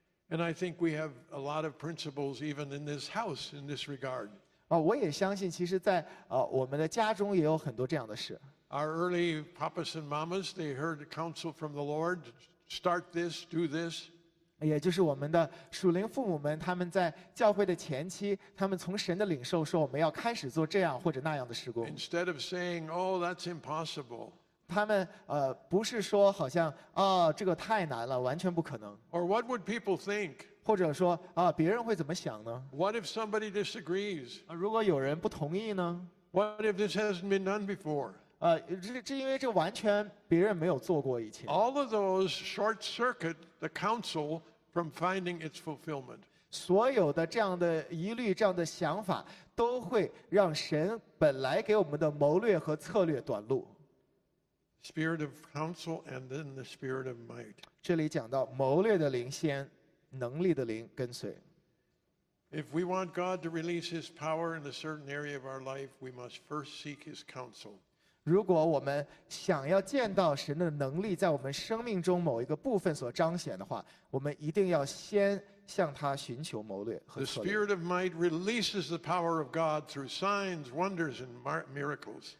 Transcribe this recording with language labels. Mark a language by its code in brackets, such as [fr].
[en] And I think we have a lot of principles even in this house in this regard. [zh] 我也相信，其实在我们的家中也有很多这样的事。 [en] Our early papas and mamas, they heard counsel from the Lord, start this, do this. [zh] 也就是我们的属灵父母们，他们在教会的前期，他们从神的领受说我们要开始做这样或者那样的事工。 [en] Instead of saying, "Oh, that's impossible," [zh] 他们不是说好像啊、哦、这个太难了，完全不可能。 [en] Or what would people think? [zh] 或者说啊、别人会怎么想呢？ [en] What if somebody disagrees? [zh] 如果有人不同意呢？ [en] What if this hasn't been done before? [zh] 这因为这完全别人没有做过以前。 [en] All of those short circuit the council from finding its fulfillment. [zh] 所有的这样的疑虑这样的想法都会让神本来给我们的谋略和策略短路。 [en] Spirit of counsel and then the spirit of might. [zh] 这里讲到谋略的灵先能力的灵跟随。 [en] If we want God to release his power in a certain area of our life, we must first seek his counsel. [zh] 如果我们想要见到神的能力在我们生命中某一个部分所彰显的话，我们一定要先向他寻求谋略和策略。 [en] The spirit of might releases the power of God through signs, wonders, and miracles.